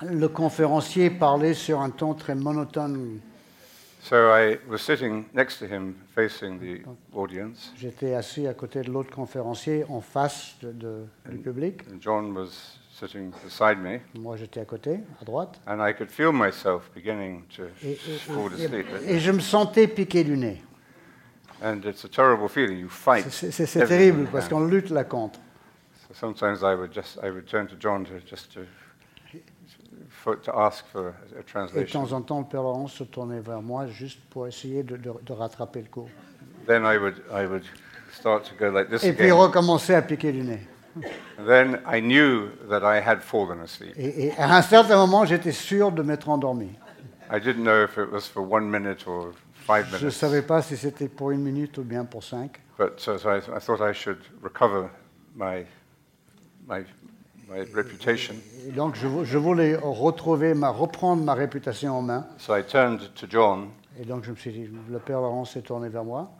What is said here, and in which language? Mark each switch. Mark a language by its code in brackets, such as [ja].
[fr] Le conférencier parlait sur un ton très monotone. [en] So I was sitting next to him, facing the audience. [fr] J'étais assis à côté de l'autre conférencier, en face du public. [en] And John was sitting beside me. [fr] Moi, j'étais à côté, à droite. [en] And I could feel myself beginning to fall asleep. [fr] Et je me sentais piqué du nez. [en] And it's a terrible feeling. You fight. [fr] C'est terrible parce qu'on lutte la contre. [en] Sometimes I would turn to John to ask for a translation. [fr] Et de temps en temps, le père Laurence se tournait vers moi juste pour essayer de rattraper le coup. [en] Then I would start to go like this [fr] et [en] again. [fr] Et puis recommencer à piquer du nez. [en] Then I knew that I had fallen asleep. [fr] Et à un certain moment, j'étais sûr de m'être endormi. [en] I didn't know if it was for 1 minute or 5 minutes. [fr] Je ne savais pas si c'était pour 1 minute ou bien pour 5. [en] But so I thought I should recover my reputation. [fr] Et donc je voulais reprendre ma réputation en main. [en] So I turned to John. [fr] Et donc je me suis dit, le père Laurent s'est tourné vers moi.